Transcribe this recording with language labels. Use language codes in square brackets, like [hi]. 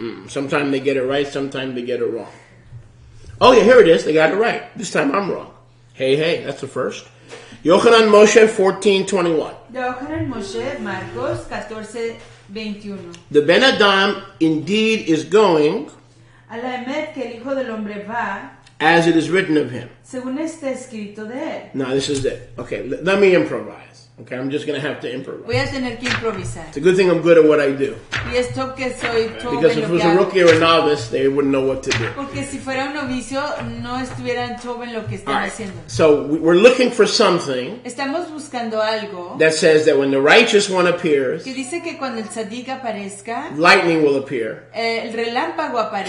[en] Sometimes they get it right, sometimes they get it wrong. Oh, yeah, here it is. They got it right. This time I'm wrong. Hey, hey, that's the first. Yohanan Moshe 14:21. [es] Yohanan Moshe, Marcos 14:21. [en] The Ben Adam indeed is going. [es] A la emet que el hijo del hombre va. [en] As it is written of him. [es] Según está escrito de él. [en] No, this is it. Okay, let me improvise. Okay, I'm just going to have to improvise. [es] Voy a tener que improvisar. [en] It's a good thing I'm good at what I do. [es] Y esto que soy todo. [en] Because if it was a rookie or a novice, they wouldn't know what to do. [es] Porque si fuera un novicio, no estuvieran todo en lo que están haciendo. [en] So we're looking for something. [es] Estamos buscando algo. [en] That says that when the righteous one appears. [es] Que dice que cuando el tzadik aparezca. [en] Lightning will appear. [es] El relámpago aparecerá.